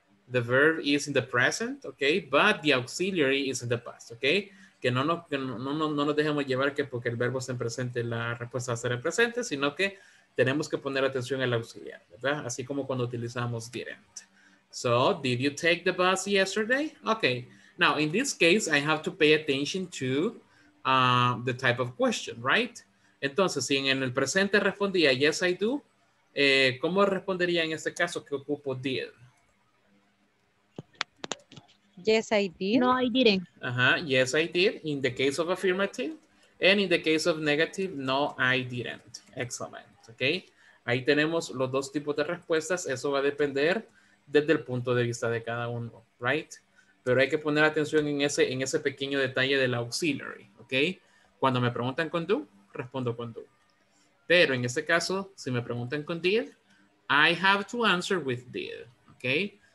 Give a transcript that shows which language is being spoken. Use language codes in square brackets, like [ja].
[en] The verb is in the present, okay? But the auxiliary is in the past, okay? [es] Que no nos dejemos llevar que porque el verbo está en presente, la respuesta va a ser en presente, sino que tenemos que poner atención al auxiliar, ¿verdad? Así como cuando utilizamos [en] didn't. So, did you take the bus yesterday? Okay. Now, in this case, I have to pay attention to the type of question, right? [es] Entonces, si en el presente respondía, [en] yes, I do, [es] ¿cómo respondería en este caso que ocupo did? [en] Yes, I did. No, I didn't. Yes, I did. In the case of affirmative. And in the case of negative, no, I didn't. [es] Excellent. Okay, ahí tenemos los dos tipos de respuestas. Eso va a depender desde el punto de vista de cada uno, right? Pero hay que poner atención en ese pequeño detalle del auxiliary, ¿ok? Cuando me preguntan con do, respondo con do. Pero en este caso, si me preguntan con did, [en] I have to answer with did, [es] ¿ok?